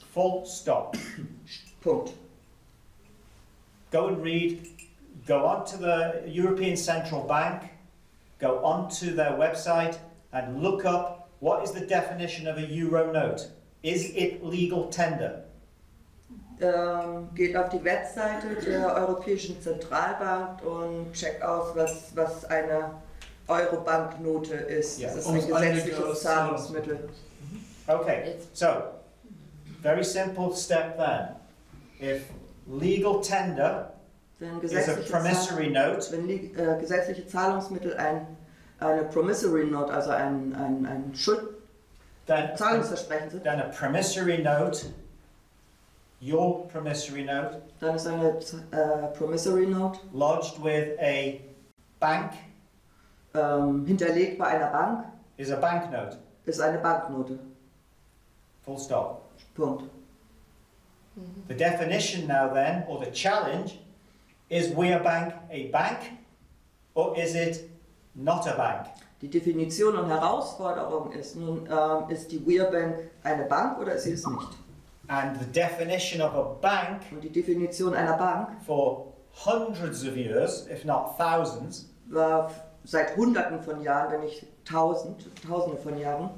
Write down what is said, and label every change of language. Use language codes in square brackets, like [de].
[en] Full stop. [de] Punkt. [en] Go and read. Go on to the European Central Bank, go on to their website and look up what is the definition of a euro note. Is it legal tender? [de] Geht auf die Webseite der Europäischen Zentralbank und checkt aus, was eine Euro-Banknote ist. Yeah. Das ist ein gesetzliches Zahlungsmittel. [en] Okay, so, very simple step then. If legal tender, [de] Wenn gesetzliche Zahlungsmittel eine promissory note, also ein Schuld, [en] then, [de] Zahlungsversprechen sind, [en] then a promissory note, your promissory note, [de] dann ist eine promissory note [en] lodged with a bank, [de] hinterlegt bei einer Bank, [en] is a bank note, [de] ist eine Banknote. [en] Full stop. [de] Punkt. [en] The definition now then, or the challenge, is WeAreBank a bank, or is it not a bank? [de] die Definition und Herausforderung ist, nun ist die Weir Bank eine Bank oder ist sie es nicht? [en] And the definition of a bank, [de] und die Definition einer Bank [en] for hundreds of years, if not thousands, [de] war seit Hunderten von Jahren, wenn nicht Tausende von Jahren,